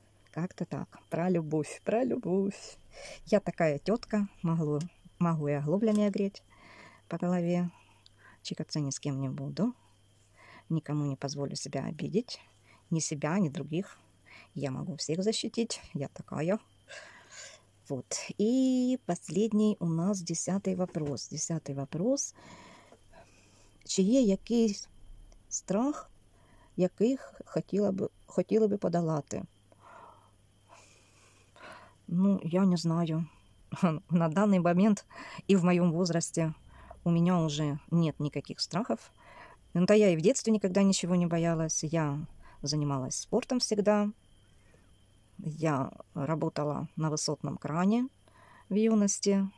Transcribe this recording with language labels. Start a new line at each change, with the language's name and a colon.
Russian: Как-то так. Про любовь, про любовь. Я такая тетка, могу и оглоблями огреть по голове. Чикаться ни с кем не буду. Никому не позволю себя обидеть. Ни себя, ни других. Я могу всех защитить. Я такая. Вот. И последний у нас 10-й вопрос. 10-й вопрос.
Ukrainian: Чи є якийсь страх, яких хотіла би подолати?
Russian: Ну, я не знаю. На данный момент и в моем возрасте у меня уже нет никаких страхов. Ну, да, я и в детстве никогда ничего не боялась. Я занималась спортом всегда. Я работала на высотном кране в юности.